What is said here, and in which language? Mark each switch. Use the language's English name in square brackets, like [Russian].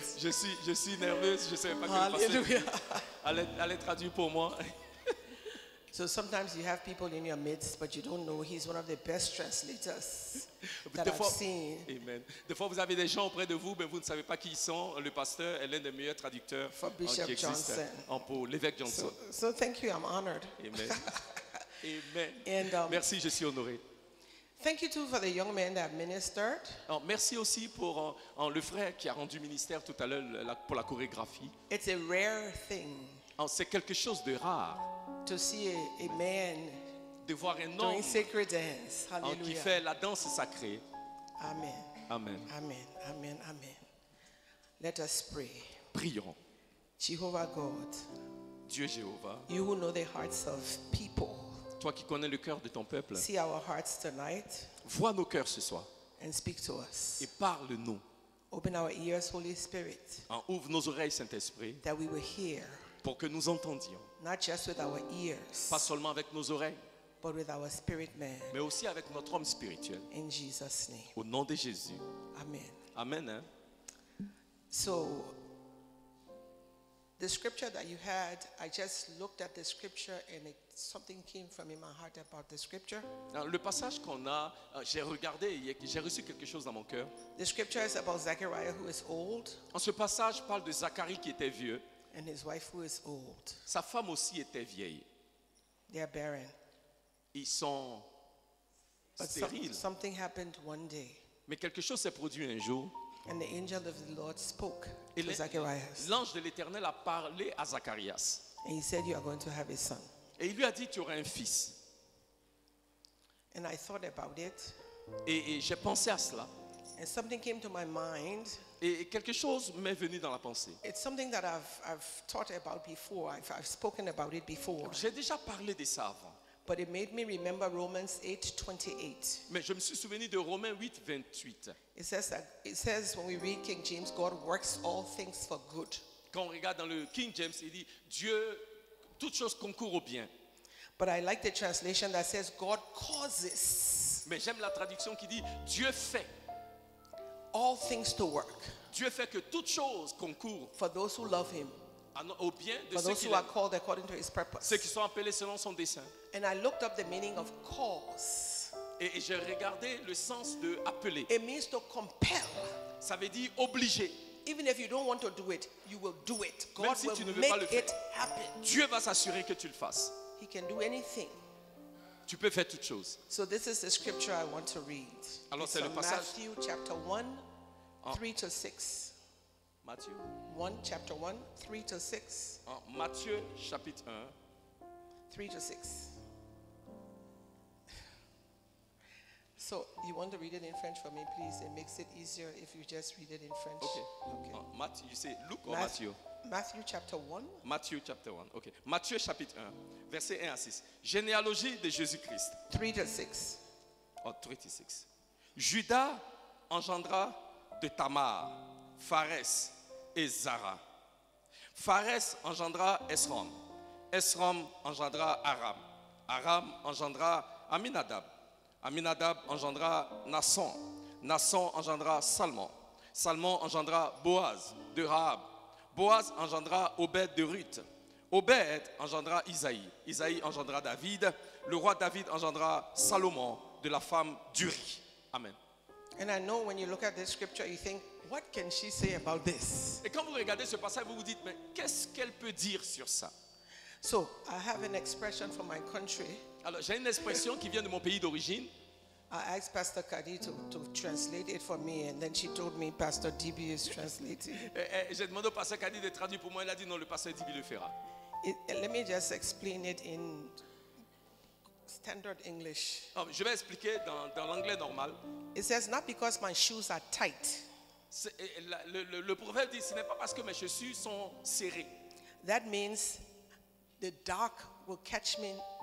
[French] Je suis nerveuse, je savais pas que [English] Hallelujah. [French] Le passé allait traduire pour moi. [English] So sometimes you have people in your midst, but you don't know he's one of the best translators that [French] de fois, [English] I've seen. Amen. [French] Des fois, vous avez des gens auprès de vous, mais vous ne savez pas qui ils sont. Le pasteur est l'un des meilleurs traducteurs [English] for Bishop [French] qui existe [English] Johnson. [French] Pour l'évêque Johnson. [English] So thank you, I'm honored. Amen. Amen. [French] And, merci, je suis honoré. [English] Thank you too for the young man that ministered. [French] Merci aussi pour le frère qui a rendu ministère tout à l'heure pour la chorégraphie. [English] It's a rare thing. [French] C'est quelque chose de rare. [English] To see a man [French] de voir un homme [English] doing sacred dance. Hallelujah. [French] Qui fait la danse sacrée. [English] Amen. Amen. Amen. Amen. Amen. Let us pray. [French] Prions. [English] Jehovah God. [French] Dieu Jéhovah. [English] You who know the hearts of people. [French] Toi qui connais le cœur de ton peuple. [English] See our hearts tonight. [French] Vois nos cœurs ce soir. [English] And speak to us. [French] Et parle-nous. [English] Open our ears, Holy Spirit. [French] Ouvre nos oreilles, Saint-Esprit. [English] That we will hear. [French] Pour que nous entendions. [English] Not just with our ears. [French] Pas seulement avec nos oreilles. [English] But with our spirit man. [French] Mais aussi avec notre homme spirituel. [English] In Jesus' name. [French] Au nom de Jésus. Amen. Amen. Hein? [English] So, the scripture that you had, I just looked at the scripture and something came from in my heart about the scripture. [French] Le passage qu'on a, j'ai regardé, j'ai reçu quelque chose dans mon cœur. [English] The scripture is about Zechariah who is old. [French] Ce passage parle de Zacharie qui était vieux. [English] And his wife who is old. [French] Sa femme aussi était vieille. [English] They are barren. [French] Ils sont [English] But [French] stériles. [English] Something happened one day. [French] Mais quelque chose s'est produit un jour. [English] And the angel of the Lord spoke to Zacharias. [French] L'ange de l'Éternel a parlé à Zacharias. [English] And he said, "You are going to have a son." [French] Et il lui a dit, tu auras un fils. [English] And I thought about it. [French] Et j'ai pensé à cela. [English] And something came to my mind. [French] Et quelque chose m'est venu dans la pensée. [English] It's something that I've thought about before. I've spoken about it before. [French] J'ai déjà parlé de ça avant. [English] But it made me remember Romans 8:28. [French] Mais je me suis souvenu de Romains 8:28. [English] It says when we read King James, God works all things for good. [French] Quand on regarde dans le King James, il dit Dieu toutes choses concourent au bien. [English] But I like the translation that says God causes. [French] Mais j'aime la traduction qui dit Dieu fait. [English] All things to work. [French] Dieu fait que toutes choses concourent. [English] For those who love him. [French] Au bien de [English] for those who are called according to his purpose. [French] Ceux qui sont appelés selon son dessein. [English] And I looked up the meaning of cause. [French] Et j'ai regardé le sens de appeler. [English] It means to compel. [French] Ça veut dire obliger. [English] Even if you don't want to do it, you will do it. God si will make faire, it happen. [French] Dieu va s'assurer que tu le fasses. [English] He can do anything. [French] Tu peux faire toute chose. [English] So this is the scripture I want to read. [French] Alors [English] it's [French] c'est le passage. [English] Matthew chapter 1:3-6. [French] Matthieu. [English] 1 chapter 1 3 to 6. [French] Matthieu chapitre 1 [English] 3 to 6. So, you want to read it in French for me, please? It makes it easier if you just read it in French. Okay. Matthieu, you say Luke or Matthieu? Matthieu chapter 1. Matthieu chapter 1. Okay. [French] Matthieu chapitre 1, verset 1 à 6. Généalogie de Jésus-Christ. [English] 3 to 6. [French] Oh, [English] 3 to 6. [French] Judas engendra de Tamar, Phares et Zara. Phares engendra Esrom. Esrom engendra Aram. Aram engendra Aminadab. Aminadab engendra Nasson. Nasson engendra Salmon. Salmon engendra Boaz de Rahab. Boaz engendra Obed de Ruth. Obed engendra Isaïe. Isaïe engendra David. Le roi David engendra Salomon de la femme d'Uri. Amen. [English] And I know when you look at this scripture, you think, what can she say about this? [French] Et quand vous regardez ce passage, vous vous dites, mais qu'est-ce qu'elle peut dire sur ça? [English] So, I have an expression from my country. [French] Alors, j'ai une expression qui vient de mon pays d'origine. [English] I asked Pastor Kadi to translate it for me, and then she told me Pastor DB is translating. [French] J'ai demandé au Pasteur Kadi de traduire pour moi. Elle a dit non, le Pasteur DB le fera. [English] Let me just explain it in standard English. [French] Oh, je vais expliquer dans l'anglais normal. [English] It says not because my shoes are tight. [French] Le proverbe dit ce n'est pas parce que mes chaussures sont serrées. [English] That means the dark will catch me.